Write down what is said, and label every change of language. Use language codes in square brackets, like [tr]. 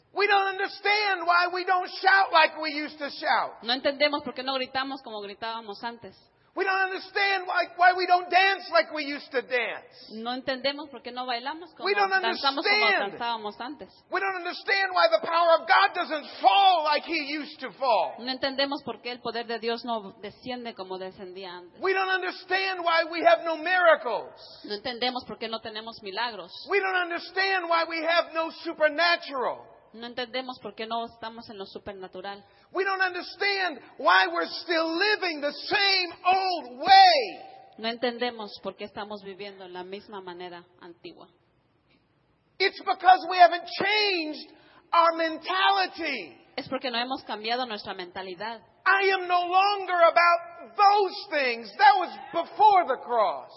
[en] We don't understand why we don't shout like we used to shout. [es] No entendemos por qué no gritamos como gritábamos antes. [en] We don't understand why we don't dance like we used to dance. [es] No entendemos por qué no bailamos como danzamos como danzábamos antes. [en] We don't understand why the power of God doesn't fall like he used to fall. [es] No entendemos por qué el poder de Dios no desciende como descendía antes. [en] We don't understand why we have no miracles. [es] No entendemos por qué no tenemos milagros. [en] We don't understand why we have no supernatural. [es] No entendemos por qué no estamos en lo supernatural. [en] We don't understand why we're still living the same old way. [es] No entendemos por qué estamos viviendo la misma manera antigua. [en] It's because we haven't changed our mentality. [es] Es porque no hemos cambiado nuestra mentalidad. [en] I am no longer about those things. That was before the cross.